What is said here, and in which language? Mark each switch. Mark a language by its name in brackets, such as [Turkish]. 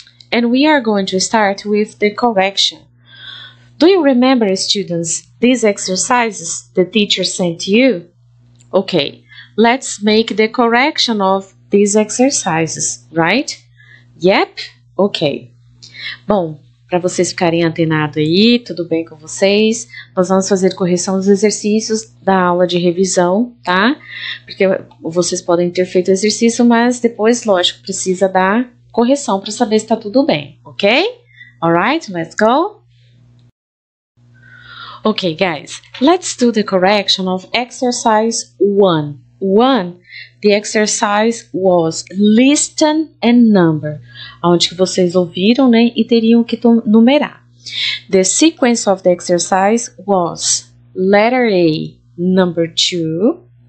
[English] And we are going to start with the correction. Do you remember, students, these exercises the teacher sent you? Okay, let's make the correction of these exercises, right? Yep, okay. [Portuguese] Bom, para vocês ficarem antenados aí, tudo bem com vocês? Nós vamos fazer correção dos exercícios da aula de revisão, tá? Porque vocês podem ter feito o exercício, mas depois, lógico, precisa da correção para saber se tá tudo bem, ok? [English] Alright, let's go. Okay, guys, let's do the correction of exercise 1. 1, the exercise was listen and number. [Portuguese] Onde que vocês ouviram, né? E teriam que numerar. [English] The sequence of the exercise was letter A, number 2.